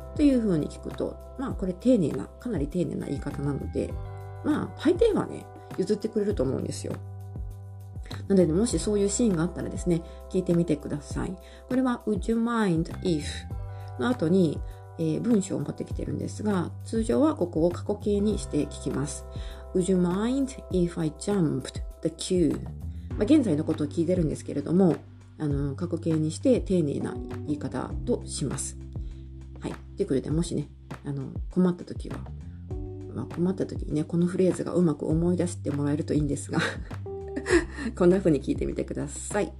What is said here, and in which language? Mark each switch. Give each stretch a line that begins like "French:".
Japanese: というふうに聞くと、まあこれ丁寧な、かなり丁寧な言い方なので、まあ大抵はね、譲ってくれると思うんですよ。なので、もしそういうシーンがあったらですね、聞いてみてください。
English: これは、Would you mind if?
Japanese: の後に、文章を持ってきてるんですが、通常はここを過去形にして聞きます。
English: Would you mind if I jumped the queue?
Japanese: まあ現在のことを聞いてるんですけれども、過去形にして丁寧な言い方とします。はい、ということで、もしね、困った時は、まあ、困った時にね、このフレーズがうまく思い出してもらえるといいんですがこんな風に聞いてみてください。